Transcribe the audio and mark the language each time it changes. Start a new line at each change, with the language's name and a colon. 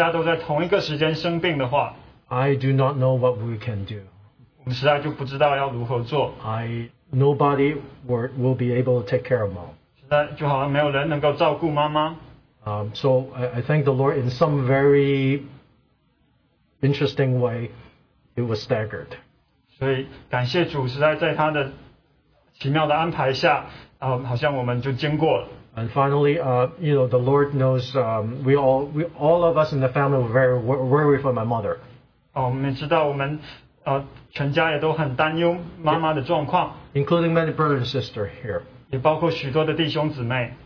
Chinese: 但是如果我们想，如果我们全家都在同一个时间生病的话。
English: I do not know what we can do.
Chinese: 我们实在就不知道要如何做。
English: Nobody will be able to take care of mom.
Chinese: 实在就好像没有人能够照顾妈妈。
English: So I thank the Lord in some very interesting way, it was staggered.
Chinese: 所以感谢主，实在在他的奇妙的安排下， 好像我们就经过了。
English: And finally, you know, the Lord knows all of us in the family were very worried for my mother.
Chinese: 我们也知道我们 全家也都很担忧妈妈的状况，
English: including many brothers and sisters here.
Chinese: 也包括许多的弟兄姊妹。